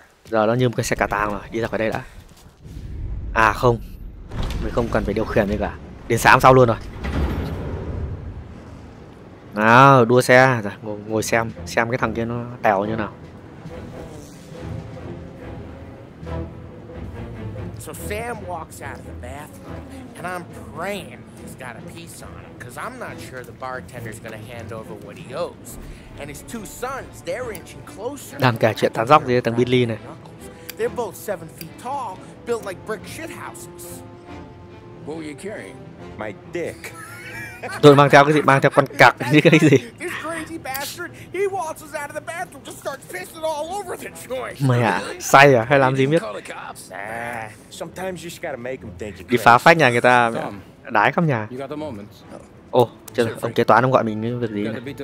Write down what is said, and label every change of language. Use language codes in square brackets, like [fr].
[vi] Giờ nó như một cái xe cà tàng rồi. Đi ra khỏi đây đã. À không, mình không cần phải điều khiển gì cả. Đến sáng sau luôn rồi. Nào đua xe rồi, ngồi xem cái thằng kia nó tèo như nào. [en] So Sam walks out of the bathroom and I'm praying he's got a piece on him, cuz I'm not sure the bartender's gonna hand over what he owes. And his two sons, they're inching closer. [vi] Đang kể chuyện thằng dốc gì thằng Billy này. [en] They're both 7 feet tall, built like brick shit houses. What were you carrying? My dick. [vi] Tôi mang theo cái gì? Mang theo con cặc như cái gì? [en] This crazy bastard, he waltzes out of the bathroom, just starts pissing all over the joint. [vi] Mày à, say à? Hay làm gì biết? [en] Sometimes you just gotta make them think you're crazy. [vi] Đi phá phách nhà người ta, đái khắp nhà. [en] You got the moments. [vi] Ồ, chưa, ông kế toán ông gọi mình cái việc gì này.